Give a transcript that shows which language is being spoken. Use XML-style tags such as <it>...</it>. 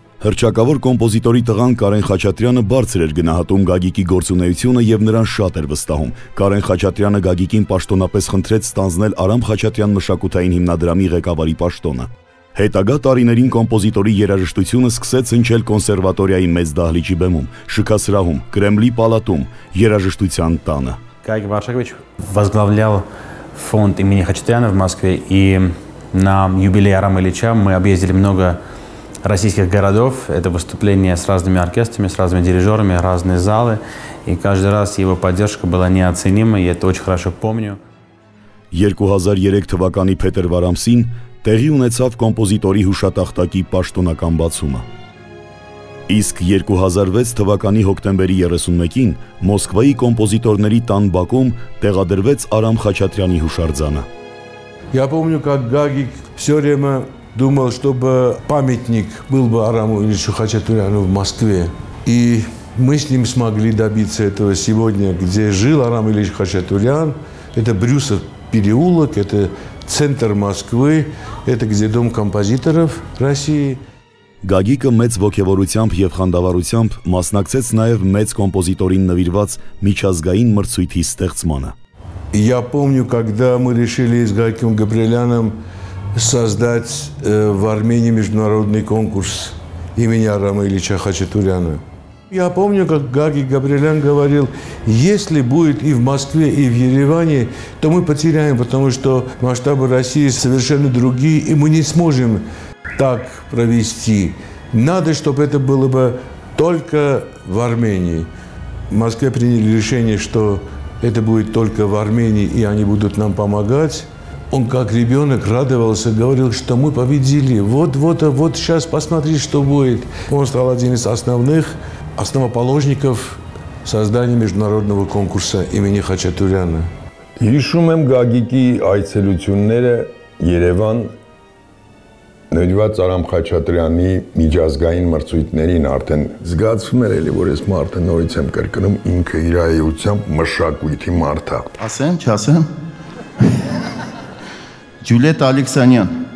<hy>Հրճակավոր կոմպոզիտորի տղան Կարեն Խաչատրյանը բարձր էր գնահատում Գագիկի գործունեությունը և նրան շատ էր վստահում։ Կարեն Խաչատրյանը Գագիկին պաշտոնապես խնդրեց ստանձնել Արամ Խաչատրյան մշակութային հիմնադրամի ղեկավարի պաշտոնը։ Հետագա տարիներին կոմպոզիտորի երաժշտությունը սկսեց հնչել կոնսերվատորիայի մեծ դահլիճի բեմում, շքասրահում, Կրեմլի պալատում, երաժշտության տանը։</hy> <ru>Գագիկ Վարշակովիչ возглавлял фонд имени Хачатряна в Москве, и на юбилей Арама Ильича мы объездили много российских городов. Это выступления с разными оркестрами, с разными дирижерами, разные залы, и каждый раз его поддержка была неоценима, и это очень хорошо помню.</ru> <hy>2003 թվականի փետրվար ամսին տեղի ունեցավ կոմպոզիտորի հուշատախտակի պաշտոնական բացումը։ Իսկ 2006 թվականի հոկտեմբերի 31-ին Մոսկվայի կոմպոզիտորների տան բակում տեղադրվեց Արամ Խաչատրյանի հուշարձանը։</hy> <ru>Я помню, как Гагик всё время думал, чтобы памятник был бы Араму Ильичу Хачатуряну в Москве. И мы с ним смогли добиться этого сегодня, где жил Арам Ильич Хачатурян. Это Брюсов переулок, это центр Москвы, это где дом композиторов России.</ru> <hy>Գագիկը մեծ ոգևորությամբ և խանդավառությամբ մասնակցեց նաև մեծ կոմպոզիտորին նվիրված միջազգային մրցույթի ստեղծմանը։</hy> <ru>Я помню, когда мы решили с Гагиком Габрилляном создать в Армении международный конкурс имени Арама Ильича Хачатуряна. Я помню, как Гагик Габрилян говорил: если будет и в Москве, и в Ереване, то мы потеряем, потому что масштабы России совершенно другие, и мы не сможем так провести. Надо, чтобы это было бы только в Армении. В Москве приняли решение, что это будет только в Армении, и они будут нам помогать. Он как ребенок радовался, говорил, что мы победили. Вот сейчас посмотри, что будет. Он стал одним из основоположников создания международного конкурса имени Хачатуряна.</ru> <hy>Հիշում եմ Գագիկի այցելությունները Երևան նվիրված Արամ Խաչատրյանի միջազգային մրցույթներին. Արդեն զգացվում էր էլի, որ ես մարդը նորից եմ կրկնում, ինքը իր այությամբ մշակույթի մարդը։ Ասեմ, չասեմ, Ջուլիետ Ալեքսանյան։</hy>